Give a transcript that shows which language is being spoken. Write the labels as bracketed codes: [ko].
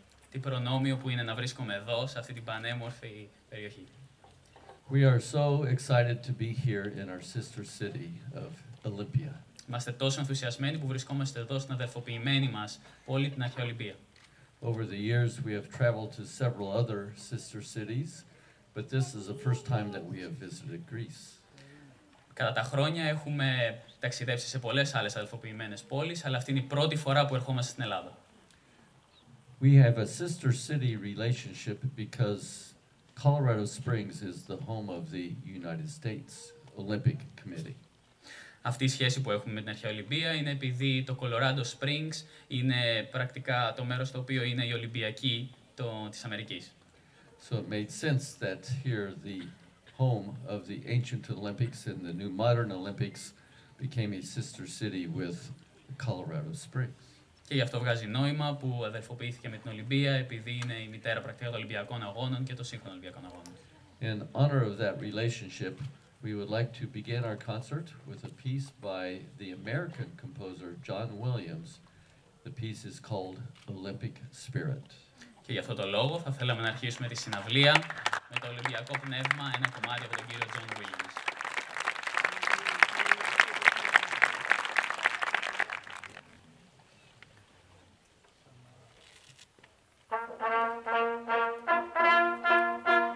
[el] Τι προνόμιο που είναι να βρίσκομαι εδώ σε αυτή την πανέμορφη περιοχή. [en] We are so excited to be here in our sister city of Olympia. [el] Είμαστε τόσο ενθουσιασμένοι που βρισκόμαστε εδώ στην αδελφοποιημένη μας πόλη την Αρχαία Ολυμπία. [en] Over the years we have traveled to several other sister cities, but this is the first time that we have visited Greece. [el] Κατά τα χρόνια έχουμε ταξιδέψει σε πολλές άλλες αδελφοποιημένες πόλεις, αλλά αυτή είναι η πρώτη φορά που ερχόμαστε στην Ελλάδα. [en] We have a sister city relationship because Colorado Springs is the home of the United States Olympic Committee. [el] Αυτή η σχέση που έχουμε με την Αρχαία Ολυμπία είναι επειδή το Colorado Springs είναι πρακτικά το μέρος στο οποίο είναι η Ολυμπιακή της Αμερικής. [en] So it made sense that here the home of the ancient Olympics and the new modern Olympics became a sister city with Colorado Springs. [el] Και γι' αυτό βγάζει νόημα που αδελφοποιήθηκε με την Ολυμπία επειδή είναι η μητέρα πρακτικά των Ολυμπιακών Αγώνων και των σύγχρονων Ολυμπιακών Αγώνων. [en] In honor of that relationship, we would like to begin our concert with a piece by the American composer John Williams. The piece is called Olympic Spirit. [el] Και γι' αυτό το λόγο θα θέλαμε να αρχίσουμε τη συναυλία με το Ολυμπιακό Πνεύμα, ένα κομμάτι από τον κύριο John Williams. [en] Thank you.